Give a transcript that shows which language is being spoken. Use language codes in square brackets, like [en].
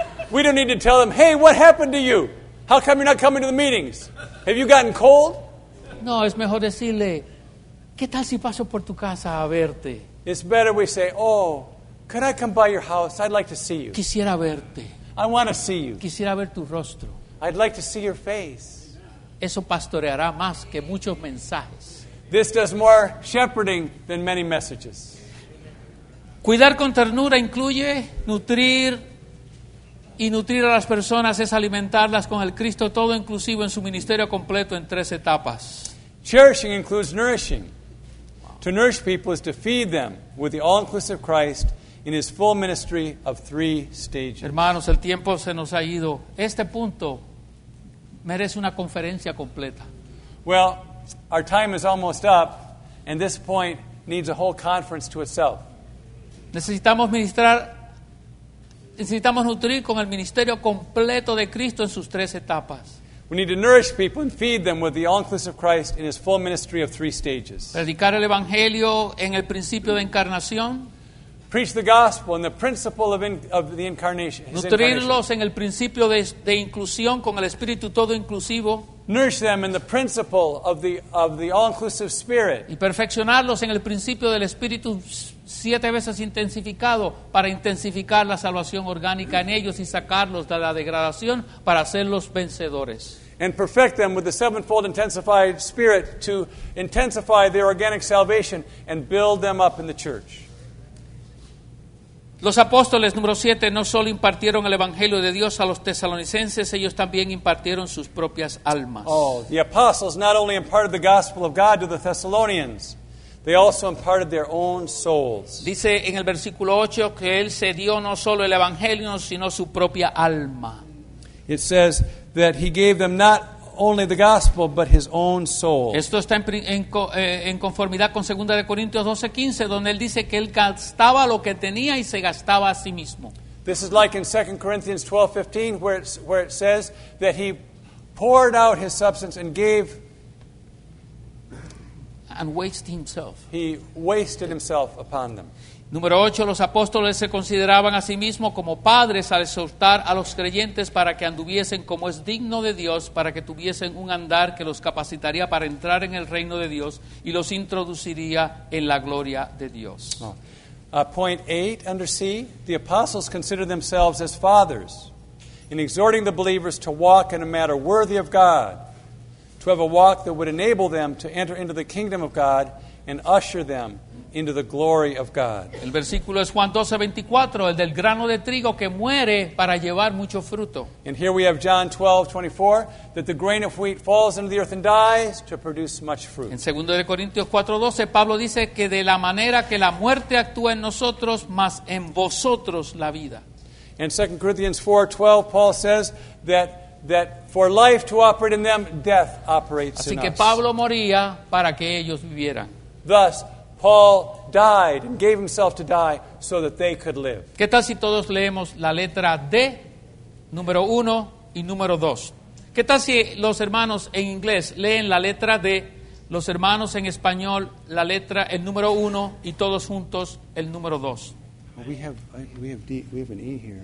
[en] We don't need to tell them, hey, what happened to you? How come you're not coming to the meetings? Have you gotten cold? [es] No, es mejor decirle, ¿qué tal si paso por tu casa a verte? [en] It's better we say, oh, could I come by your house? I'd like to see you. [es] Quisiera verte. [en] I want to see you. [es] Quisiera ver tu rostro. [en] I'd like to see your face. [es] Eso pastoreará más que muchos mensajes. [en] This does more shepherding than many messages. [es] Cuidar con ternura incluye nutrir y nutrir a las personas es alimentarlas con el Cristo todo inclusivo en su ministerio completo en tres etapas. [en] Cherishing includes nourishing. To nourish people is to feed them with the all-inclusive Christ in his full ministry of three stages. [es] Hermanos, el tiempo se nos ha ido. Este punto merece una conferencia completa. [en] Well, our time is almost up, and this point needs a whole conference to itself. [es] Necesitamos ministrar, necesitamos nutrir con el ministerio completo de Cristo en sus tres etapas. [en] We need to nourish people and feed them with the all-inclusive of Christ in his full ministry of three stages. [es] Predicar el evangelio en el principio de encarnación. [en] Preach the gospel in the principle of the incarnation. [es] Nutrirlos en el principio de inclusión con el espíritu todo inclusivo. [en] Nourish them in the principle of the all-inclusive spirit. [es] Y perfeccionarlos en el principio del espíritu siete veces intensificado para intensificar la salvación orgánica en ellos y sacarlos de la degradación para hacerlos vencedores. [en] And perfect them with the sevenfold intensified spirit to intensify their organic salvation and build them up in the church. [es] Los apóstoles, número 7, no solo impartieron el Evangelio de Dios a los tesalonicenses, ellos también impartieron sus propias almas. [en] Oh, the apostles not only imparted the gospel of God to the Thessalonians, they also imparted their own souls. [es] Dice en el versículo 8 que él se dio no solo el Evangelio, sino su propia alma. [en] It says that he gave them not only the gospel, but his own soul. [es] Esto está en conformidad con 2 Corintios 12:15, donde él dice que él gastaba lo que tenía y se gastaba a sí mismo. [en] This is like in 2 Corinthians 12:15, where it says that he poured out his substance and gave. And wasted himself. He wasted himself upon them. [es] Número 8, los apóstoles se consideraban a sí mismos como padres al exhortar a los creyentes para que anduviesen como es digno de Dios, para que tuviesen un andar que los capacitaría para entrar en el reino de Dios y los introduciría en la gloria de Dios. [en] Point 8, under C, the apostles considered themselves as fathers in exhorting the believers to walk in a manner worthy of God, to have a walk that would enable them to enter into the kingdom of God and usher them into the glory of God. [es] El versículo es Juan 12:24, el del grano de trigo que muere para llevar mucho fruto. [en] And here we have John 12:24, that the grain of wheat falls into the earth and dies to produce much fruit. [es] En 2 Corintios 4:12, Pablo dice que de la manera que la muerte actúa en nosotros, más en vosotros la vida. [en] In 2 Corinthians 4:12, Paul says that for life to operate in them, death operates [es] Así [en] in [es] que [en] us. [es] Pablo moría para que ellos vivieran. [en] Thus, Paul died and gave himself to die so that they could live. [es] ¿Qué tal si todos leemos la letra D, número 1 y número 2? ¿Qué tal si los hermanos en inglés leen la letra D, los hermanos en español la letra, el número 1 y todos juntos el número 2? [en] Well, we have D, we have an E here.